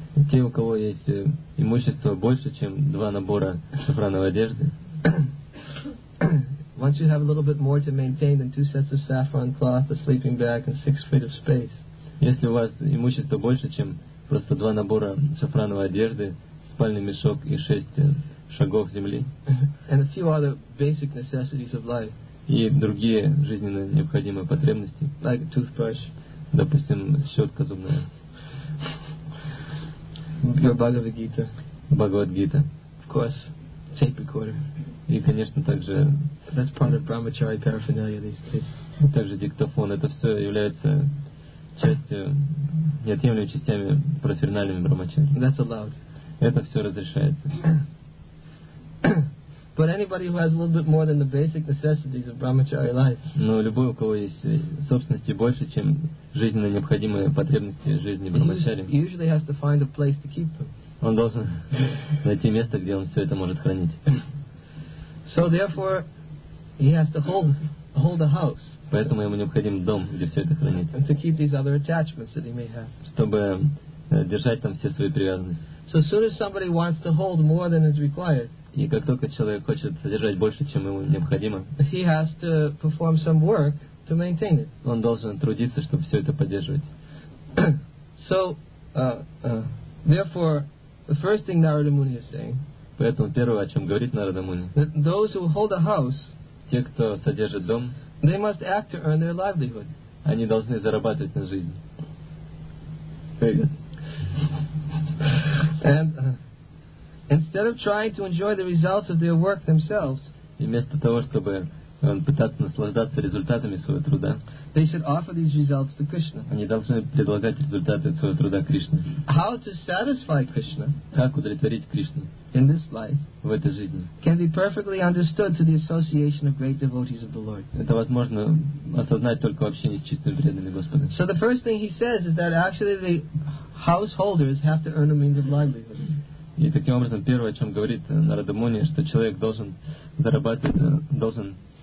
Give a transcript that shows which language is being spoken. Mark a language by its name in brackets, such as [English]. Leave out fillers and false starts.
[Russian] Те, у кого есть имущество больше, чем два набора шафрановой одежды. [English] Once you have a little bit more to maintain than two sets of saffron cloth, a sleeping bag, and 6 feet of space. [Russian] Если у вас имущество больше, чем просто два набора шафрановой одежды, спальный мешок и 6 шагов земли. [English] And a few other basic necessities of life. [Russian] И другие жизненно необходимые потребности. [English] Like a toothbrush. [Russian] Допустим, щетка зубная. [English] Your Bhagavad Gita. [Russian] Bhagavad Gita. [English] Of course, tape recorder. [Russian] И, конечно, также... [English] That's part of Brahmachari paraphernalia these days. [Russian] Также диктофон. Это все является частью, неотъемлемыми частями параферналии Брахмачари. [English] That's allowed. [Russian] Это все разрешается. [English] But anybody who has a little bit more than the basic necessities of Brahmachari life. [Russian] Но любой, у кого есть собственности больше, чем жизненно необходимые потребности жизни Брахмачари. [English] He usually has to find a place to keep them. [Russian] Он должен найти место, где он все это может хранить. [English] So therefore, he has to hold a house. [Russian] Поэтому ему необходим дом, где все это хранить. [English] And to keep these other attachments that he may have. [Russian] Чтобы держать там все свои привязанности. [English] So as soon as somebody wants to hold more than is required. [Russian] И как только человек хочет содержать больше, чем ему необходимо, [English] he has to perform some work to maintain it. [Russian] Он должен трудиться, чтобы все это поддерживать. [English] So, therefore, the first thing Narada Muni is saying. [Russian] Поэтому первое, о чем говорит Narada Muni. [English] That those who hold a house. [Russian] Те, кто содержит дом. [English] They must act to earn their livelihood. [Russian] Они должны зарабатывать на жизнь. [English] Very good. And. Instead of trying to enjoy the results of their work themselves, [Russian] и вместо того, чтобы пытаться наслаждаться результатами своего труда, [English] they should offer these results to Krishna. [Russian] Они должны предлагать результаты своего труда Кришне. [English] How to satisfy Krishna? [Russian] Как удовлетворить Кришну? [English] In this life, [Russian] в этой жизни, [English] can be perfectly understood through the association of great devotees of the Lord. [Russian] Это возможно осознать только в общении с чистыми преданными Господа. [English] So the first thing he says is that actually the householders have to earn a means of livelihood. [Russian] И таким образом, первое, о чем говорит Нарада Муни, что человек должен зарабатывать, должен